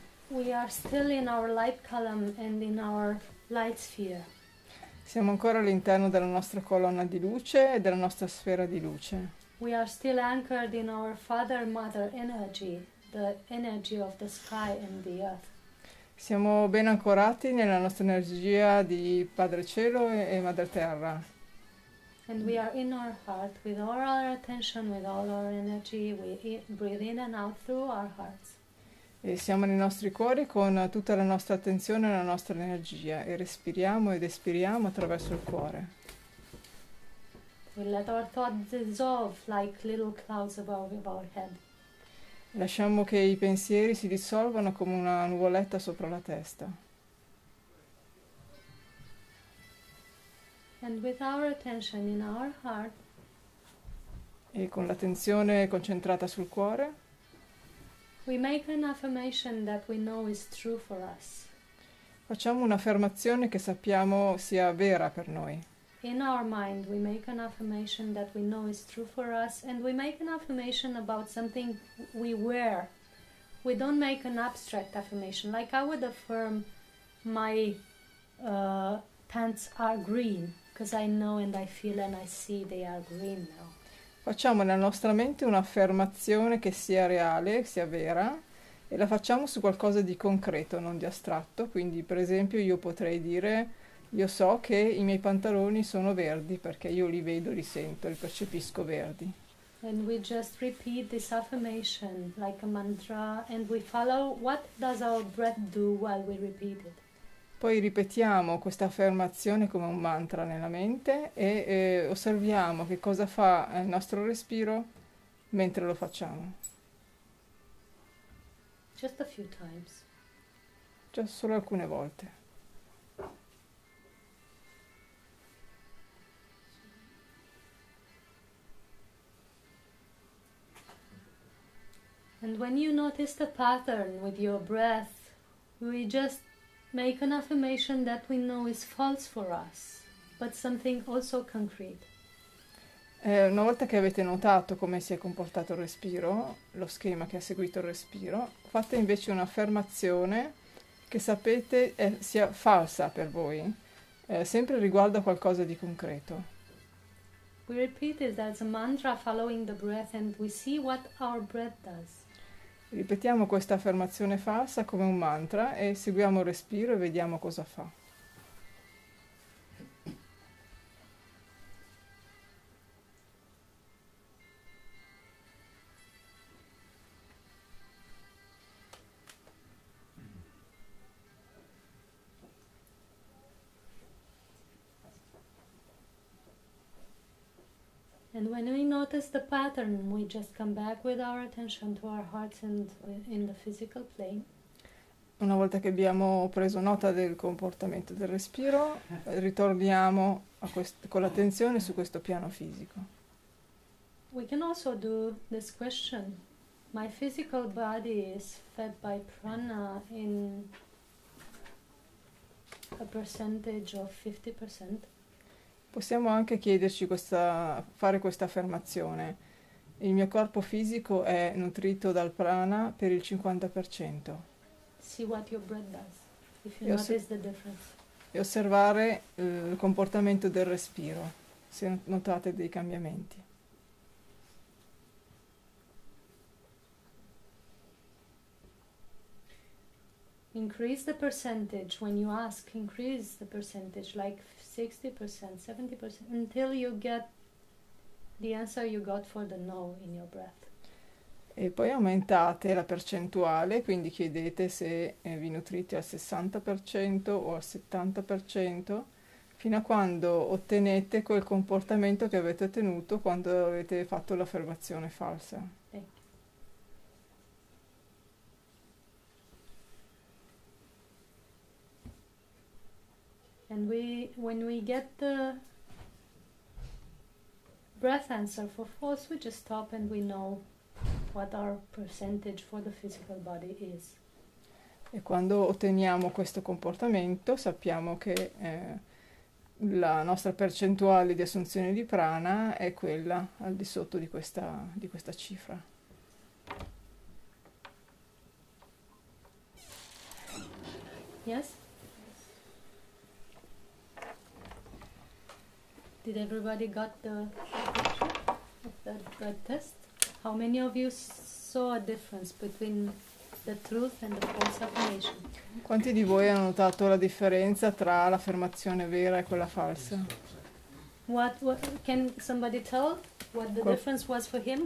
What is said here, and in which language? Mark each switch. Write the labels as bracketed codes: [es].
[en] We are still in our light column and in our light sphere. [it] Siamo ancora all'interno della nostra colonna di luce e della nostra sfera di luce. [en] We are still anchored in our father mother energy, the energy of the sky and the earth. [it] Siamo ben ancorati nella nostra energia di padre cielo e madre terra. [en] And we are in our heart with all our attention, with all our energy, we breathe in and out through our hearts. [it] E siamo nei nostri cuori con tutta la nostra attenzione e la nostra energia e respiriamo ed espiriamo attraverso il cuore. [en] We let our thoughts dissolve like little clouds above our head. [it] Lasciamo che i pensieri si dissolvano come una nuvoletta sopra la testa. [en] And with our attention in our heart. [it] E con l'attenzione concentrata sul cuore. [en] We make an affirmation that we know is true for us. [it] Facciamo un'affermazione che sappiamo sia vera per noi. [en] In our mind we make an affirmation that we know is true for us and we make an affirmation about something we wear. We don't make an abstract affirmation like I would affirm my pants are green because I know and I feel and I see they are green now. [it] Facciamo nella nostra mente un'affermazione che sia reale, che sia vera, e la facciamo su qualcosa di concreto, non di astratto. Quindi, per esempio, io potrei dire, io so che i miei pantaloni sono verdi, perché io li vedo, li sento, li percepisco verdi. [en] And we just repeat this affirmation like a mantra, and we follow what does our breath do while we repeat it. [it] Poi ripetiamo questa affermazione come un mantra nella mente e osserviamo che cosa fa il nostro respiro mentre lo facciamo. [en] Just a few times. [it] Già solo alcune volte. [en] And when you notice the pattern with your breath, we just make an affirmation that we know is false for us, but something also concrete. [it] Una volta che avete notato come si è comportato il respiro, lo schema che ha seguito il respiro, fate invece un'affermazione che sapete sia falsa per voi, sempre riguardo a qualcosa di concreto. [en] We repeat it as a mantra following the breath and we see what our breath does. [it] Ripetiamo questa affermazione falsa come un mantra e seguiamo il respiro e vediamo cosa fa. [en] And when we notice the pattern, we just come back with our attention to our hearts and in the physical plane. [it] Una volta che abbiamo preso nota del comportamento del respiro, ritorniamo con l'attenzione su questo piano fisico. [en] We can also do this question. My physical body is fed by prana in a percentage of 50%. [it] Possiamo anche chiederci fare questa affermazione. Il mio corpo fisico è nutrito dal prana per il 50%. [en] See what your breath does. [it] e osservare il comportamento del respiro, se notate dei cambiamenti. [en] Increase the percentage when you ask, increase the percentage like 60%, 70% until you get the answer you got for the no in your breath. [it] E poi aumentate la percentuale, quindi chiedete se vi nutrite al 60% o al 70%, fino a quando ottenete quel comportamento che avete ottenuto quando avete fatto l'affermazione falsa. [en] And we, when we get the breath answer for false, we just stop and we know what our percentage for the physical body is. [it] E quando otteniamo questo comportamento, sappiamo che la nostra percentuale di assunzione di prana è quella al di sotto di questa cifra. [en] Yes? Did everybody got the breath test? How many of you saw a difference between the truth and the false affirmation? [it] Quanti di voi hanno notato la differenza tra l'affermazione vera e quella falsa? [en] What can somebody tell what the difference was for him?